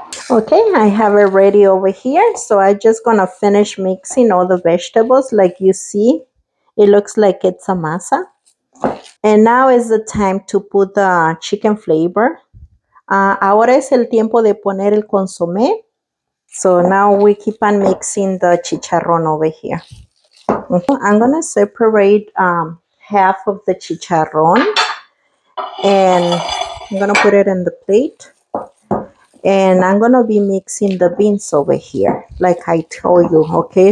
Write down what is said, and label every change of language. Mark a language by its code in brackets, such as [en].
[en] Okay, I have it ready over here, so I'm just gonna finish mixing all the vegetables. Like you see, it looks like it's a masa. And now is the time to put the chicken flavor. [es] Ahora es el tiempo de poner el consomé. [en] So now we keep on mixing the chicharron over here. I'm gonna separate half of the chicharron and I'm gonna put it in the plate. And I'm going to be mixing the beans over here, like I told you, okay?